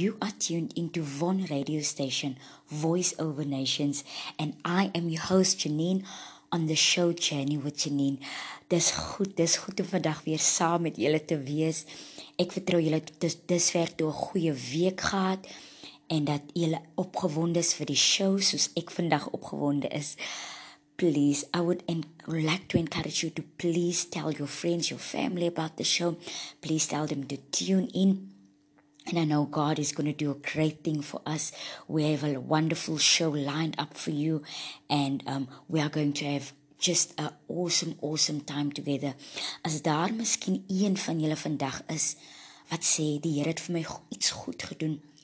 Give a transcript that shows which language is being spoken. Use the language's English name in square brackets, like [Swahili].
[English] You are tuned into Vaughan Radio Station, Voice Over Nations, and I am your host, Janine, on the show Journey with Janine. [Afrikaans] Dis goed om vandag weer saam met julle te wees. Ek vertrou julle het dusver toe 'n goeie week gehad en dat julle opgewonde is vir die show soos ek vandag opgewonde is. [English] Please, I would like to encourage you to please tell your friends, your family about the show. Please tell them to tune in. And I know God is going to do a great thing for us. We have a wonderful show lined up for you. And we are going to have just an awesome, awesome time together. [Afrikaans] As daar miskien een van julle vandag is, wat sê, die Here het vir my iets goed gedoen.